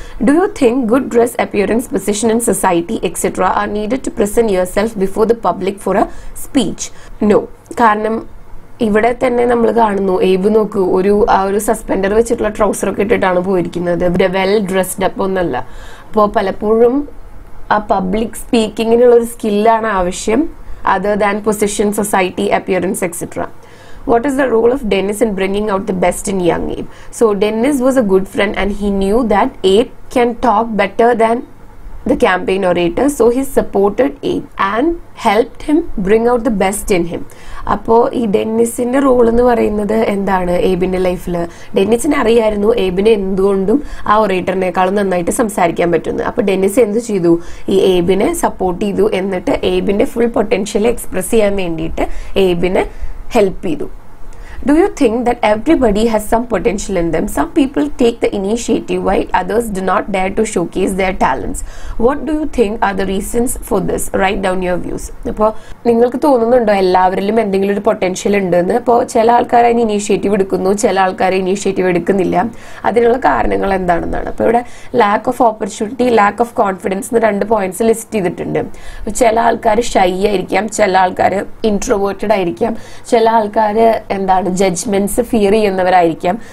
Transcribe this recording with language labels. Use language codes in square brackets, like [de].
[en] Do you think good dress, appearance, position in society etcetera are needed to present yourself before the public for a speech? No. [ml] കാരണം ഇവിടെ തന്നെ നമ്മൾ കാണുന്നു ഏബ് നോക്ക് ഒരു ആ ഒരു സസ്പെൻഡർ വെച്ചിട്ടുള്ള ട്രൗസറൊക്കെ ഇട്ടിട്ടാണ് പോയിരിക്കുന്നത്, [en] well dressed up [ml] ഒന്നല്ല. അപ്പോൾ പലപ്പോഴും ആ പബ്ലിക് സ്പീക്കിങ്ങിനുള്ള ഒരു സ്കില്ലാണ് ആവശ്യം. [en] Other than position, society, appearance, etc. What is the role of Dennis in bringing out the best in young Abe? So Dennis was a good friend and he knew that Abe can talk better than the campaign orator. So he supported Abe and helped him bring out the best in him. [ml] അപ്പോ ഈ ഡെന്നിസിന്റെ role എന്ന് പറയുന്നത് എന്താണ് ഏബിന്റെ ലൈഫിൽ? ഡെന്നിസിന് അറിയായിരുന്നു ഏബിനെ എന്തുകൊണ്ടും ആ ഓറേറ്ററിനേക്കാളും നന്നായിട്ട് സംസാരിക്കാൻ പറ്റുന്നു. അപ്പൊ ഡെന്നിസ് എന്ത് ചെയ്തു? ഈ ഏബിനെ സപ്പോർട്ട് ചെയ്തു, എന്നിട്ട് ഏബിന്റെ ഫുൾ പൊട്ടൻഷ്യൽ എക്സ്പ്രസ് ചെയ്യാൻ വേണ്ടിയിട്ട് ഏബിനെ ഹെൽപ്പ് ചെയ്തു. [en] Do you think that everybody has some potential in them? Some people take the initiative while others do not dare to showcase their talents. What do you think are the reasons for this? Write down your views. [ml] അപ്പോൾ നിങ്ങൾക്ക് തോന്നുന്നുണ്ടോ എല്ലാവരിലും എന്തെങ്കിലും ഒരു potential ഉണ്ടെന്ന്? അപ്പോൾ ചില ആൾക്കാരെ ഇനീഷ്യേറ്റീവ് എടുക്കുന്നു, ചില ആൾക്കാരെ ഇനീഷ്യേറ്റീവ് എടുക്കുന്നില്ല. അതിനുള്ള കാരണങ്ങൾ എന്താണെന്നാണ്. അപ്പോൾ ഇവിടെ lack of opportunity, lack of confidence എന്ന രണ്ട് പോയിന്റ്സ് ലിസ്റ്റ് ചെയ്തിട്ടുണ്ട്. ചില ആൾക്കാർ ഷൈ ആയിരിക്കാം, ചില ആൾക്കാർ ഇൻട്രോവേർട്ടഡ് ആയിരിക്കാം, ചില ആൾക്കാർ എന്താണ് ജഡ്ജ്മെന്റ്സ് ഫിയർ ചെയ്യുന്നവരായിരിക്കാം.